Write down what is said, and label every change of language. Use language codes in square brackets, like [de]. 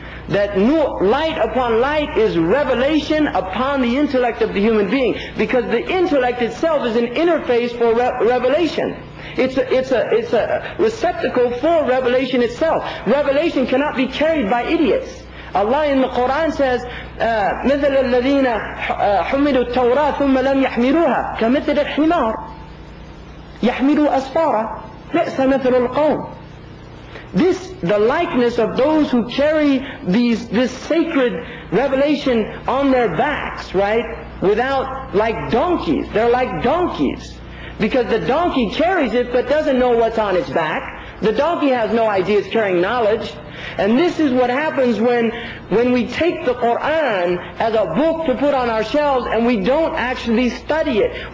[en] That nur, light upon light, is revelation upon the intellect of the human being. Because the intellect itself is an interface for revelation. It's a receptacle for revelation itself. Revelation cannot be carried by idiots. Allah in the Quran says, [ar] مثل الذين حملوا التوراة ثم لم يحملوها كمثل الحمار يحملوا أسفارا بئس مثل القوم. [en] This, the likeness of those who carry this sacred revelation on their backs, right? Without, like donkeys. They're like donkeys. Because the donkey carries it but doesn't know what's on its back. The donkey has no idea it's carrying knowledge. And this is what happens when we take the Quran as a book to put on our shelves and we don't actually study it.